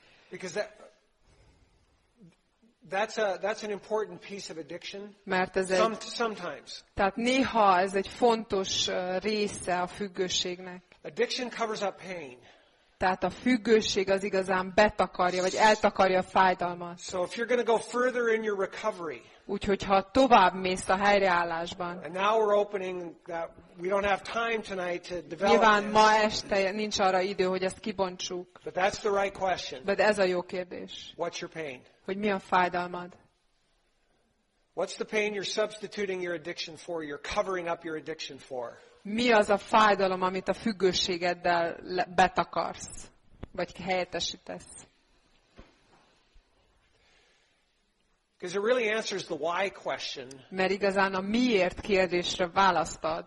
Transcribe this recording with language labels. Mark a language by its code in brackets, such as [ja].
[en] Because that's an important piece of addiction. [hu] Mert ez [en] sometimes. [hu] Tehát néha ez egy fontos része a függőségnek. [en] Addiction covers up pain. [hu] Tehát a függőség az igazán betakarja, vagy eltakarja a fájdalmat. [en] So if you're going to go further in your recovery, [hu] úgyhogy ha tovább mész a helyreállásban. [en] And now we're opening that we don't have time tonight to develop. [hu] Nyilván ma este nincs arra idő, hogy ezt kibontsuk. [en] But that's the right question. [hu] But ez a jó kérdés. [en] What's your pain? [hu] Hogy mi a fájdalmad? [en] What's the pain you're substituting your addiction for? You're covering up your addiction for. [hu] Mi az a fájdalom, amit a függőségeddel betakarsz, vagy helyettesítesz? [en] Because it really answers the why question. [hu] Mert igazán a miért kérdésre választ ad.